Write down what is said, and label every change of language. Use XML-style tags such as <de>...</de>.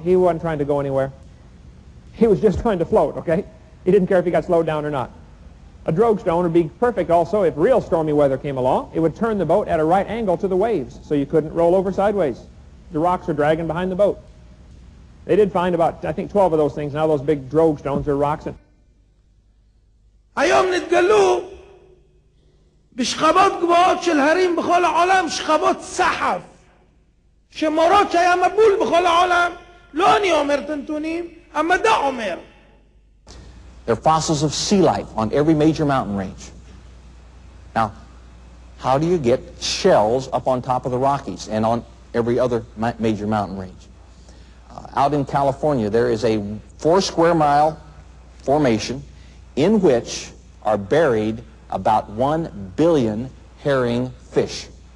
<en>He wasn't trying to go anywhere. He was just trying to float, okay? He didn't care if he got slowed down or not. A drogue stone would be perfect also if real stormy weather came along. It would turn the boat at a right angle to the waves, so you couldn't roll over sideways. The rocks are dragging behind the boat. They did find about, I think, 12 of those things. Now those big drogue stones are rocks.</en> <he>היום נתגלו בשכבות גבוהות של הרים בכל העולם, שכבות סחף, שמורות שהיה מבול בכל העולם. לא אני אומר את הנתונים, המדע אומר.</he> <en>There are fossils of sea life on every major mountain range. Now, how do you get shells up on top of the Rockies and on every other major mountain range? Out in California, there is a 4-square-mile formation in which are buried about 1 billion herring fish.</en>